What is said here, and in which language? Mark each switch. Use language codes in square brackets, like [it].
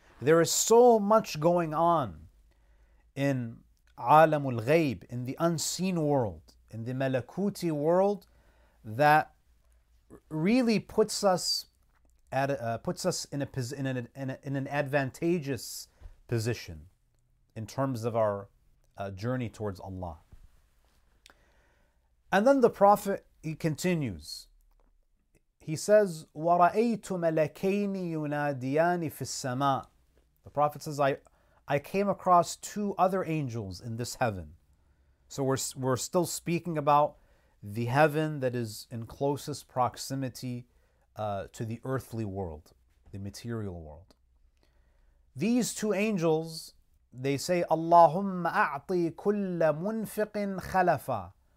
[en] There is so much going on in alamul ghayb, in the unseen world, in the malakuti world, that really puts us in an advantageous position in terms of our journey towards Allah. And then the Prophet, he continues. He says, [ar] وَرَأَيْتُ مَلَكَيْنِ يُنَادِيَانِ فِي السَّمَاءِ. [en] The Prophet says, I came across two other angels in this heaven. So we're still speaking about the heaven that is in closest proximity to the earthly world, the material world. These two angels, they say, [ar] Allahumma a'ti kulla munfiqin khalafa.